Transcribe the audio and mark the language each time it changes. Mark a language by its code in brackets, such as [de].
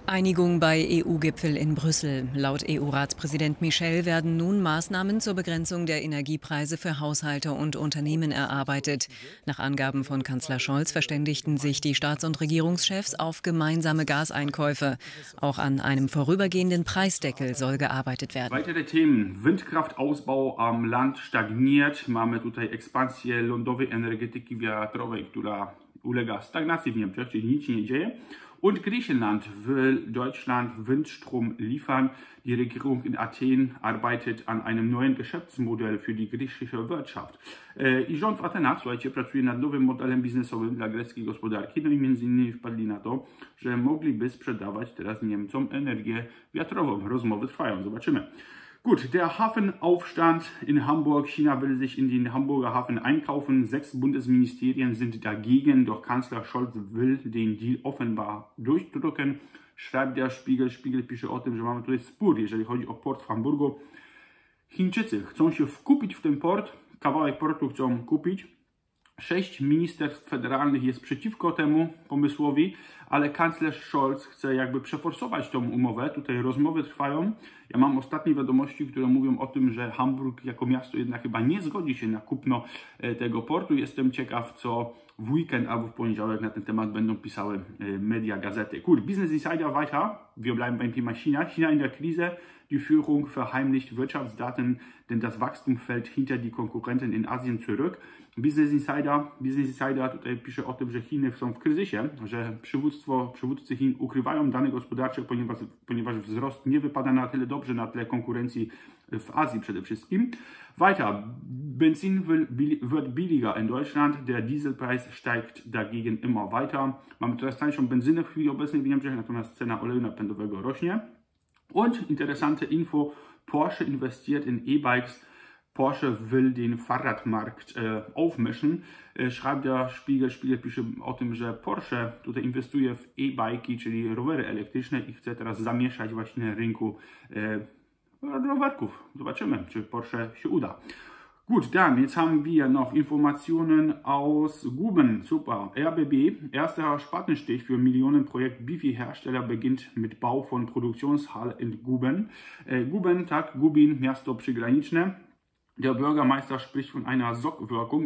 [de] Einigung bei EU-Gipfel in Brüssel. Laut EU-Ratspräsident Michel werden nun Maßnahmen zur Begrenzung der Energiepreise für Haushalte und Unternehmen erarbeitet. Nach Angaben von Kanzler Scholz verständigten sich die Staats- und Regierungschefs auf gemeinsame Gaseinkäufe. Auch an einem vorübergehenden Preisdeckel soll gearbeitet werden. Weitere Themen. Windkraftausbau am Land stagniert. [pl] Mamy tutaj ekspansję lądowej energetyki wiatrowej, która ulega stagnacji w Niemczech, czyli nic się nie dzieje. [de] Und Griechenland will Deutschland Windstrom liefern. Die Regierung in Athen arbeitet an einem neuen Geschäftsmodell für die griechische Wirtschaft. [pl] I rząd w Atenach, słuchajcie, pracuje nad nowym modelem biznesowym dla greckiej gospodarki. No i między innymi wpadli na to, że mogliby sprzedawać teraz Niemcom energię wiatrową. Rozmowy trwają, zobaczymy. [de] Gut, der Hafenaufstand in Hamburg. China will sich in den Hamburger Hafen einkaufen. 6 Bundesministerien sind dagegen, doch Kanzler Scholz will den Deal offenbar durchdrücken, schreibt der Spiegel. [pl] Spiegel pisze o tym, że mamy tutaj spór, jeżeli chodzi o port w Hamburgu. Chińczycy chcą się wkupić w ten port, kawałek portu chcą kupić. 6 ministerstw federalnych jest przeciwko temu pomysłowi, ale kanclerz Scholz chce jakby przeforsować tą umowę. Tutaj rozmowy trwają. Ja mam ostatnie wiadomości, które mówią o tym, że Hamburg jako miasto jednak chyba nie zgodzi się na kupno tego portu. Jestem ciekaw, co w weekend albo w poniedziałek na ten temat będą pisały media, gazety. [de] Cool, Business Insider weiter. Wir bleiben beim Thema China. China in der Krise. Die Führung verheimlicht Wirtschaftsdaten, denn das Wachstum fällt hinter die Konkurrenten in Asien zurück. [pl] Business Insider tutaj pisze o tym, że Chiny są w kryzysie, że przywódcy Chin ukrywają dane gospodarcze, ponieważ wzrost nie wypada na tyle dobrze na tle konkurencji w Azji przede wszystkim. [de] Weiter, Benzin wird billiger in Deutschland, der Dieselpreis steigt dagegen immer weiter. [pl] Mamy teraz tańszą benzynę w chwili obecnej w Niemczech, natomiast cena oleju napędowego rośnie. [de] Und interessante Info, Porsche investiert in E-Bikes. Porsche will den Fahrradmarkt aufmischen. Schreibt der Spiegel [pl] pisze o tym, że Porsche tutaj inwestuje w e-bike, czyli rowery elektryczne i chce teraz zamieszać właśnie na rynku rowerków. Zobaczymy, czy Porsche się uda. [de] Gut, dann, jetzt haben wir noch Informationen aus Guben. Super. RBB, erster Spatenstich für Millionenprojekt. Bifi-Hersteller beginnt mit Bau von Produktionshalle in Guben. [pl] Gubin, miasto przygraniczne. [de] Der Bürgermeister spricht von einer Sogwirkung.